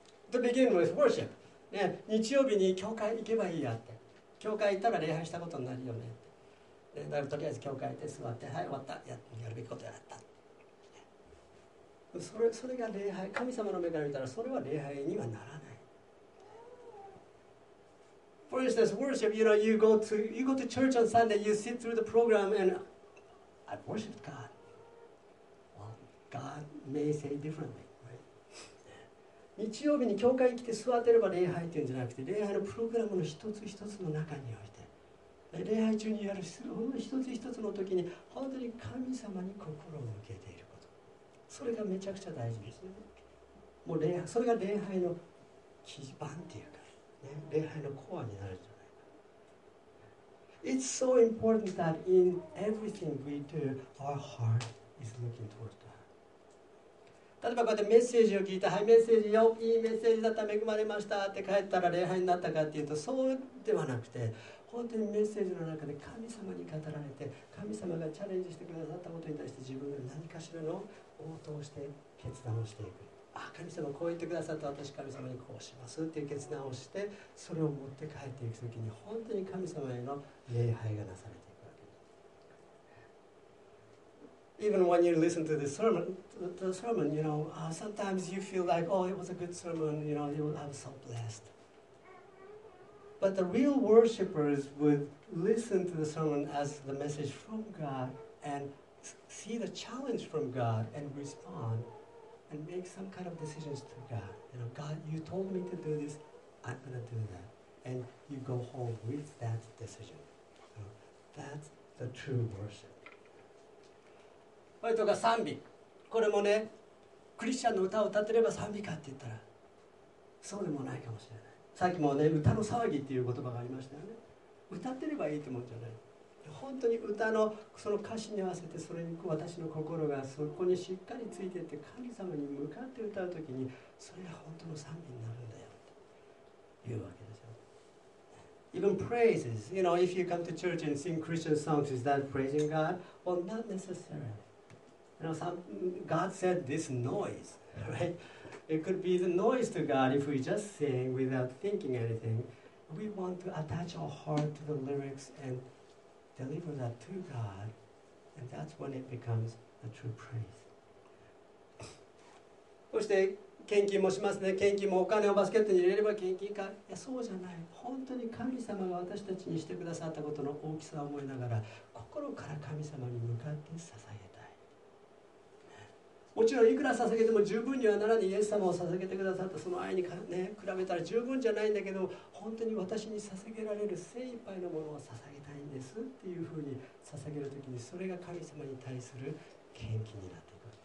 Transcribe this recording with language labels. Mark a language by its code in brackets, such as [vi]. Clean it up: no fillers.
[en] To begin with worship. [ja] ね、日曜日に教会行けばいいやって。教会行ったら礼拝したことになるよねって。だからとりあえず教会行って座って、はい終わった、やるべきことやった。それが礼拝、神様の目から見たらそれは礼拝にはならない。 [en] For instance, worship, you know, you go to church on Sunday, you sit through the program and I worship God. God may say differently, right? [ja] 日曜日に教会に来て座ってれば礼拝っていうんじゃなくて、礼拝のプログラムの一つ一つの中において、礼拝中にやる一つ一つの時に本当に神様に心を向けていること、それがめちゃくちゃ大事ですよね。もう礼拝、それが礼拝の基盤っていうか、ね、礼拝のコアになるじゃないか。 [en] It's so important that in everything we do, our heart is looking towards God. [ja] 例えばこうやってメッセージを聞いて、はいメッセージよ、いいメッセージだった、恵まれましたって帰ったら礼拝になったかっていうと、そうではなくて、本当にメッセージの中で神様に語られて、神様がチャレンジしてくださったことに対して自分が何かしらの応答をして決断をしていく。あ、神様こう言ってくださった、私神様にこうしますっていう決断をして、それを持って帰っていくときに本当に神様への礼拝がなされていく。 [en] Even when you listen to the sermon, you know, sometimes you feel like, oh, it was a good sermon, you know, I was so blessed. But the real worshipers would listen to the sermon as the message from God and see the challenge from God and respond and make some kind of decisions to God. You know, God, you told me to do this, I'm going to do that. And you go home with that decision. You know, that's the true worship. [ja] これとか賛美、これもね、クリスチャンの歌を歌ってれば賛美かって言ったらそうでもないかもしれない。さっきもね、歌の騒ぎっていう言葉がありましたよね。歌ってればいいと思うんじゃない。本当に歌のその歌詞に合わせて、それに私の心がそこにしっかりついていって神様に向かって歌うときに、それが本当の賛美になるんだよというわけですよ。 [en] Even praises, you know, if you come to church and sing Christian songs, is that praising God? Well, not necessarily. You know, God said this noise, right? It could be the noise to God if we just sing without thinking anything. We want to attach our heart to the lyrics and deliver that to God. And that's when it becomes a true praise. [ja] そして献金もしますね、献金もお金をバスケットに入れれば献金か、いやそうじゃない、本当に神様が私たちにしてくださったことの大きさを思いながら心から神様に向かって捧げたい。もちろんいくら捧げても十分にはならない、イエス様を捧げてくださったその愛に、ね、比べたら十分じゃないんだけど、本当に私に捧げられる精一杯のものを捧げたいんですっていうふうに捧げるときに、それが神様に対する献金になっていく。